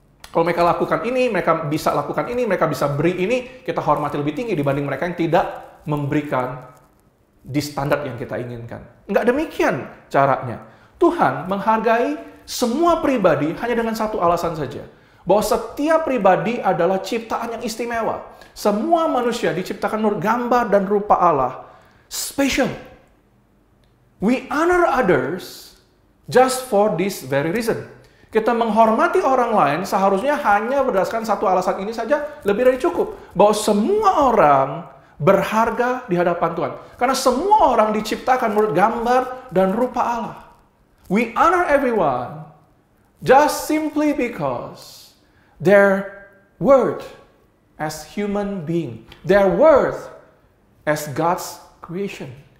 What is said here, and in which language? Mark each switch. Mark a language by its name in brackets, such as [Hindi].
[Indonesian] Kalau mereka lakukan ini, mereka bisa lakukan ini, mereka bisa beri ini, kita hormati lebih tinggi dibanding mereka yang tidak memberikan di standar yang kita inginkan. Enggak demikian caranya. Tuhan menghargai semua pribadi hanya dengan satu alasan saja. Bahwa setiap pribadi adalah ciptaan yang istimewa. Semua manusia diciptakan menurut gambar dan rupa Allah. [English] Special. We honor others just for this very reason. [Indonesian] Kita menghormati orang lain seharusnya hanya berdasarkan satu alasan ini saja lebih dari cukup. Bahwa semua orang berharga di hadapan Tuhan. Karena semua orang diciptakan menurut gambar dan rupa Allah. [English] We honor everyone just simply because their worth as human being, their worth as God's creation.